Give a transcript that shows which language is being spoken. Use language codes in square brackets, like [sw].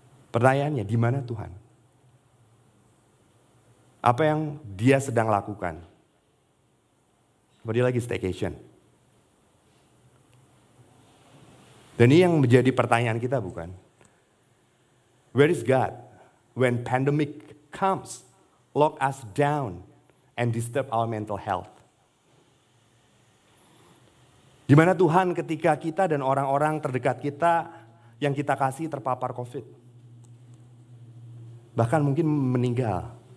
[id] Pertanyaannya, di mana Tuhan? Apa yang Dia sedang lakukan? Dia lagi staycation. Dan ini yang menjadi pertanyaan kita, bukan? [en] Where is God when pandemic comes, lock us down, and disturb our mental health? [id] Di mana Tuhan ketika kita dan orang-orang terdekat kita yang kita kasih terpapar COVID? Bahkan mungkin meninggal.